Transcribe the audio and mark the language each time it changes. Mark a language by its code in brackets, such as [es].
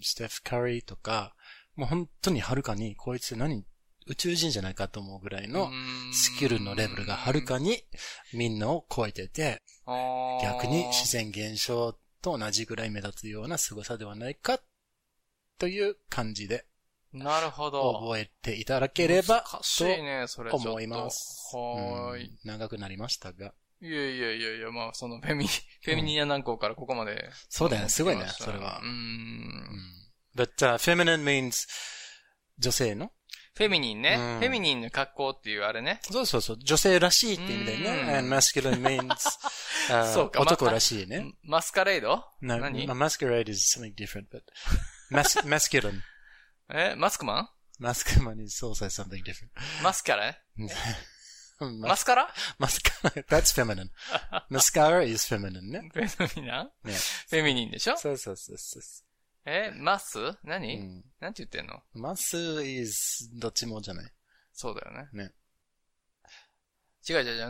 [ja] ステフ・カリーとか、もう本当にはるかに、こいつ何、宇宙人じゃないかと思うぐらいの、スキルのレベルがはるかに、みんなを超えてて、逆に自然現象と同じぐらい目立つような凄さではないかという感じで、なるほど、覚えていただければ難しいねそれちょっと思います。はい、うん、長くなりましたが、いやいやいやいや、まあそのフェミニア軟膏からここまで、うん、そうだねすごいねそれは、うん、 [en] But feminine means [ja] 女性の。フェミニンね、うん。フェミニンの格好っていうあれね。そうそうそう。女性らしいって意味だよね。 [en] And masculine means, [ja] そうか男らしいね。マスカレード [en] no, [ja] 何、 [en] まあ、マスカレード is something different, but masculine. [ja] え、マスクマン？ [en] マスクマン is also something different. [ja] マスカレ？マスカラ？ [en] マスカラ。That's feminine. [ja] マスカラ [en] is feminine [ja] ね。フェミナン？フェミニンでしょ？そうそうそうそう。え、マス？何？何、うん、て言ってんの？マス [en] is [ja] どっちもじゃない。そうだよね。ね。違う。